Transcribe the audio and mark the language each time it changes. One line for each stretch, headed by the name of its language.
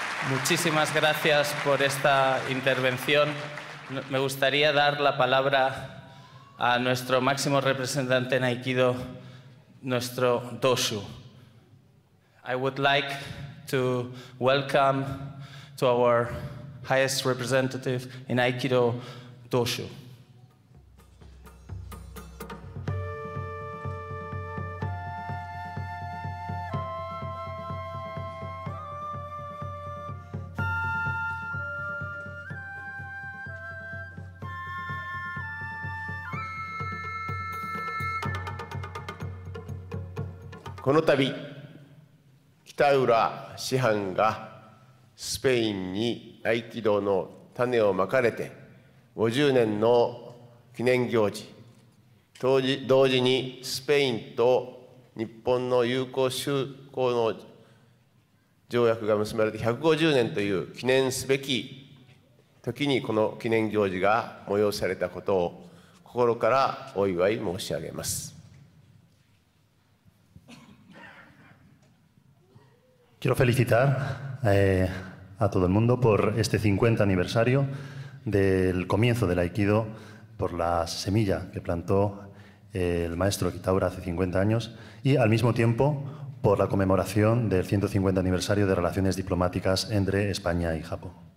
Spanish: Muchísimas gracias por esta intervención. Me gustaría dar la palabra a nuestro máximo representante en Aikido, nuestro Dosu.
English: I would like to welcome to our highest representative in Aikido, Dosu.
Japanese: この度、北浦師範がスペインに合気道の種をまかれて50年の記念行事、同時にスペインと日本の友好修好の条約が結ばれて150年という記念すべき時にこの記念行事が催されたことを心からお祝い申し上げます。
Spanish: Quiero felicitar a todo el mundo por este 50 aniversario del comienzo del Aikido, por la semilla que plantó el maestro Kitaura hace 50 años y al mismo tiempo por la conmemoración del 150 aniversario de relaciones diplomáticas entre España y Japón.